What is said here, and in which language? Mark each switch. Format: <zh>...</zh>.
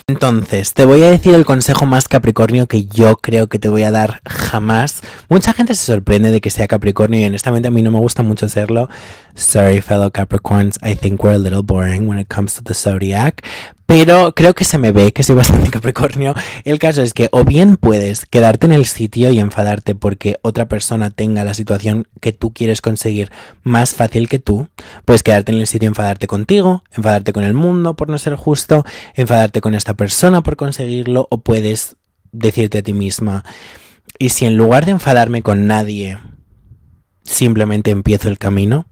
<es>Entonces, te voy a decir el consejo más capricornio que yo creo que te voy a dar jamás. Mucha gente se sorprende de que sea capricornio y honestamente a mí no me gusta mucho serlo.</es> <en>Sorry, fellow Capricorns, I think we're a little boring when it comes to the zodiac.</en> <es>Pero creo que se me ve que soy bastante capricornio. El caso es que o bien puedes quedarte en el sitio y enfadarte porque otra persona tenga la situación que tú quieres conseguir más fácil que tú. Puedes quedarte en el sitio y enfadarte contigo, enfadarte con el mundo por no ser justo, enfadarte con esta persona por conseguirlo, o puedes decirte a ti misma, y si en lugar de enfadarme con nadie, simplemente empiezo el camino.</es>